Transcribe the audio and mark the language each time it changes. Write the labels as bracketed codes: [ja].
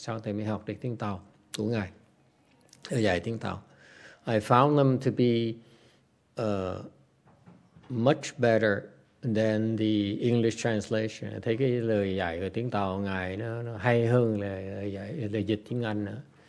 [vi] Sau thầy mới học được tiếng Tàu của ngài, dạy tiếng Tàu. [en] I found them to be much better than the English translation. [vi] Thấy cái lời dạy của tiếng Tàu ngài nó hay hơn là lời dịch tiếng Anh nữa.